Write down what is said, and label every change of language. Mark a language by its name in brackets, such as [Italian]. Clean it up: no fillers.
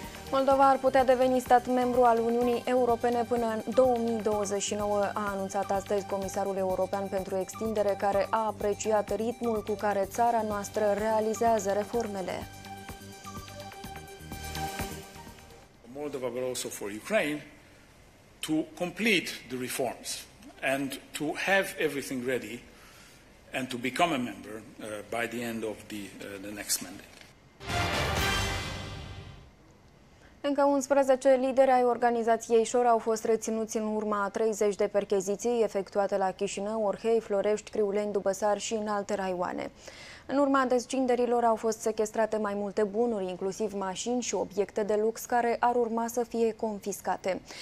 [Romanian] Moldova ar putea deveni stat membru al Uniunii Europene până în 2029, a anunțat astăzi Comisarul European pentru Extindere, care a apreciat ritmul cu care țara noastră realizează reformele. [English] Moldova will also for Ukraine to complete the reforms and to have everything ready and to become a member by the end of the next mandate. [Romanian] Încă 11 lideri ai organizației Șor au fost reținuți în urma a 30 de percheziții efectuate la Chișinău, Orhei, Florești, Criuleni, Dubăsar și în alte raioane. În urma descinderilor au fost sechestrate mai multe bunuri, inclusiv mașini și obiecte de lux care ar urma să fie confiscate.